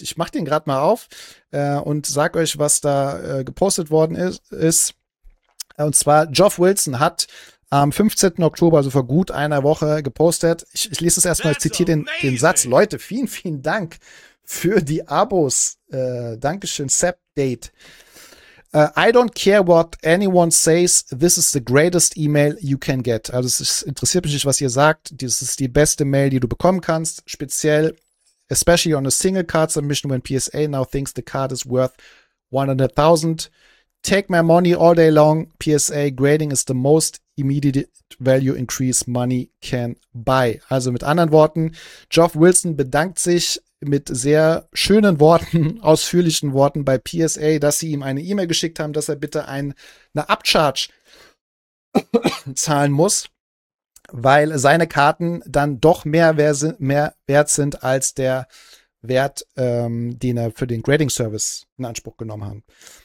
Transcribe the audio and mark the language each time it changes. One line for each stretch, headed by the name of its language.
German: Ich mache den gerade mal auf und sag euch, was da gepostet worden ist. Und zwar, Geoff Wilson hat am 15. Oktober, also vor gut einer Woche, gepostet. Ich lese es erstmal, ich zitiere den Satz. Leute, vielen, vielen Dank für die Abos. Dankeschön, Sepp Date.
English: I don't care what anyone says, this is the greatest email you can get.
German: Also es interessiert mich nicht, was ihr sagt. Das ist die beste Mail, die du bekommen kannst. Speziell,
English: especially on a single card submission when PSA now thinks the card is worth 100,000. Take my money all day long. PSA grading is the most immediate value increase money can buy.
German: Also mit anderen Worten, Geoff Wilson bedankt sich mit sehr schönen Worten, ausführlichen Worten bei PSA, dass sie ihm eine E-Mail geschickt haben, dass er bitte eine Upcharge zahlen muss, weil seine Karten dann doch mehr wert sind als der Wert, den er für den Grading Service in Anspruch genommen hat.